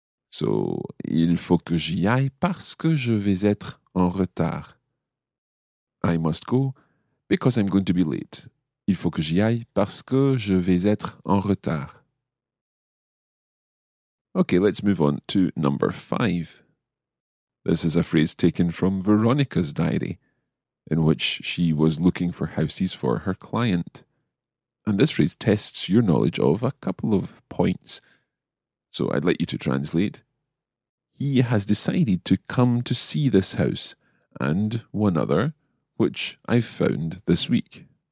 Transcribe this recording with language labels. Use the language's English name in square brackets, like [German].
[French] So, il faut que j'y aille parce que je vais être en retard. [English] I must go because I'm going to be late. [French] Il faut que j'y aille parce que je vais être en retard. [English] Okay, let's move on to number 5. This is a phrase taken from Veronica's diary, in which she was looking for houses for her client. And this phrase tests your knowledge of a couple of points. So I'd like you to translate. He has decided to come to see this house and one other, which I've found this week.